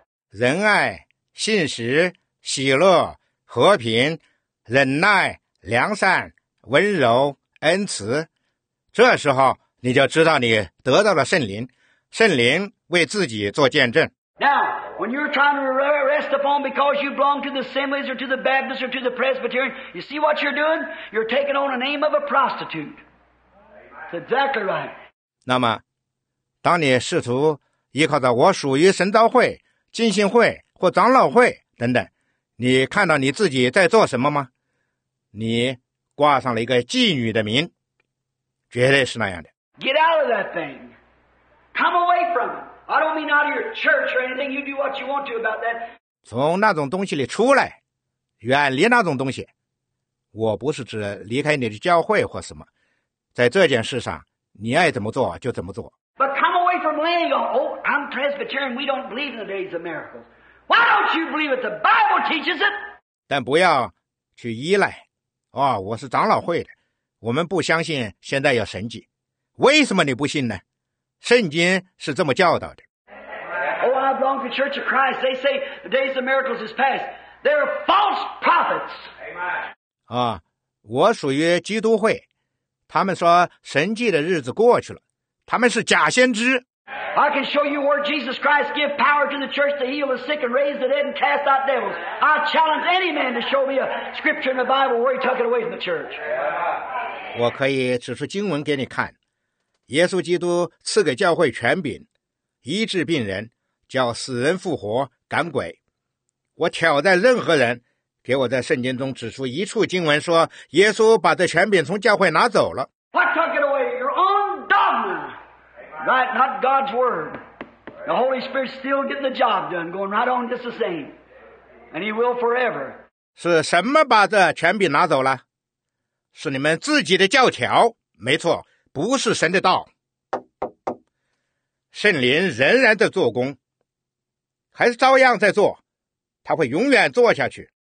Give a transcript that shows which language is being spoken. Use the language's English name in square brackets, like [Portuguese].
[Chinese] 仁爱、信实、喜乐、和平、忍耐、良善、温柔、恩慈，这时候你就知道你得到了圣灵，圣灵为自己做见证。 [English] Now, when you're trying to rest upon because you belong to the Assemblies or to the Baptists or to the Presbyterian, you see what you're doing? You're taking on the name of a prostitute. It's exactly right. [Chinese] 那么，当你试图依靠着我属于神召会、浸信会或长老会等等，你看到你自己在做什么吗？你挂上了一个妓女的名，绝对是那样的。 [English] Get out of that thing. Come away from it. I don't mean out of your church or anything. You do what you want to about that. [Chinese] 从那种东西里出来，远离那种东西。我不是指离开你的教会或什么，在这件事上，你爱怎么做就怎么做。 [English] But come away from laying on. Oh, I'm Presbyterian. We don't believe in the days of miracles. Why don't you believe it? The Bible teaches it. [Chinese] 但不要去依赖。哦，我是长老会的，我们不相信现在有神迹。为什么你不信呢？圣经是这么教导的。 [English] Oh, I belong to the Church of Christ. They say the days of miracles is past. They're false prophets. Amen. [Chinese] 啊，我属于基督会，他们说神迹的日子过去了。他们是假先知。 [English] I can show you where Jesus Christ gave power to the church to heal the sick and raise the dead and cast out devils. I challenge any man to show me a scripture in the Bible where he took it away from the church. [Chinese] 我可以指出经文给你看。耶稣基督赐给教会权柄，医治病人，叫死人复活，赶鬼。我挑战任何人给我在圣经中指出一处经文说耶稣把这权柄从教会拿走了。 [English] I took it away. Your own dogma, right? Not God's word. The Holy Spirit's still getting the job done, going right on just the same. And he will forever. [Chinese] 是什么把这权柄拿走了？是你们自己的教条，没错，不是神的道。圣灵仍然在做工，还是照样在做，他会永远做下去。